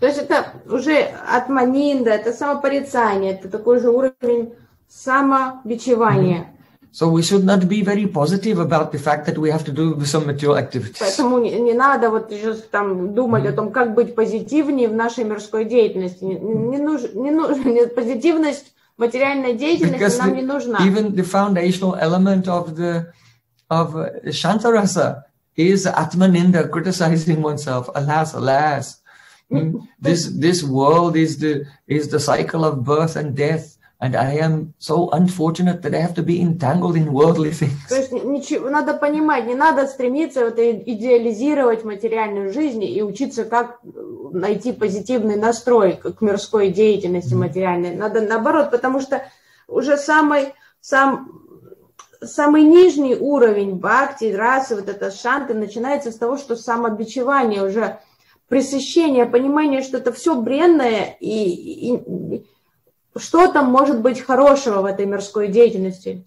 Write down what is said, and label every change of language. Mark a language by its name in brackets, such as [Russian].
[Russian] То есть это уже атманинда, это самопорицание, это такой же уровень самобичевания. Mm-hmm. [English] So we should not be very positive about the fact that we have to do some material activities. [Russian] Поэтому не надо вот сейчас там думать о том, как быть позитивнее в нашей мирской деятельности. Не нужно позитивность материальной деятельности [English] Because [Russian] нам не нужна. [English] Even the foundational element of Shantarasa is Atmaninda, criticizing oneself. Alas, alas, this world is the cycle of birth and death. And I am so unfortunate that I have to be entangled in worldly things. [Russian] То есть ничего, надо понимать, не надо стремиться вот идеализировать материальную жизнь и учиться, как найти позитивный настрой к мирской деятельности материальной. Надо наоборот, потому что уже самый нижний уровень бхакти, расы, вот это шанты, начинается с того, что самобичевание, уже пресыщение, понимание, что это все бренное и что там может быть хорошего в этой мирской деятельности?